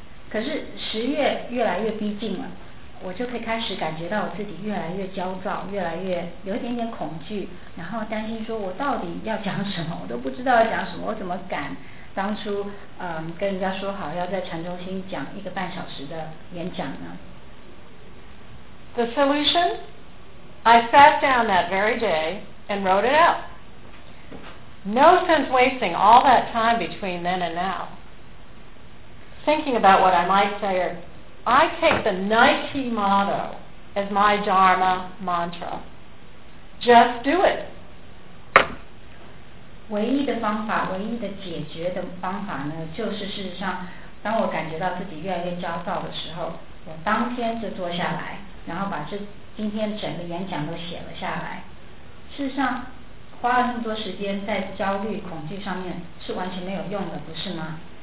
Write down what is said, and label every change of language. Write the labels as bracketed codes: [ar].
[zh] 可是十月越来越逼近了，我就可以开始感觉到我自己越来越焦躁，越来越有一点点恐惧，然后担心说我到底要讲什么，我都不知道要讲什么，我怎么敢当初跟人家说好要在禅中心讲一个半小时的演讲呢？ [en] The solution? I sat down that very day and wrote it out. No sense wasting all that time between then and now thinking about what I might say. Or I take the Nike motto as my Dharma mantra. Just do it. [zh] 唯一的方法，唯一的解决的方法呢，就是事实上，当我感觉到自己越来越焦躁的时候，我当天就坐下来，然后把这今天整个演讲都写了下来。事实上花了那么多时间在焦虑恐惧上面是完全没有用的，不是吗？